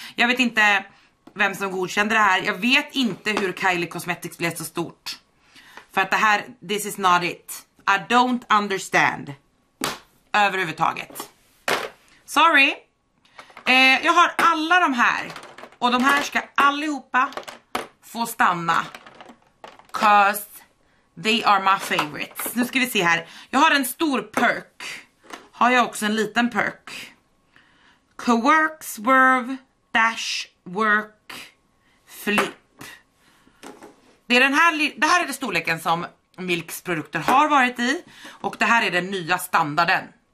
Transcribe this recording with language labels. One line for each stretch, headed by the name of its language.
Swedish: Jag vet inte vem som godkände det här. Jag vet inte hur Kylie Cosmetics blev så stort. För att det här,
English: this is not it. I don't understand.
Swedish: Överhuvudtaget.
English: Sorry.
Swedish: Jag har alla de här. Och de här ska allihopa få stanna.
English: Cause they are my favorites.
Swedish: Nu ska vi se här. Jag har en stor perk. Har jag också en liten perk. Quirk, swerve, dash, work. Flip. Det är den här, det här är det storleken som Milks produkter har varit i, och det här är den nya standarden.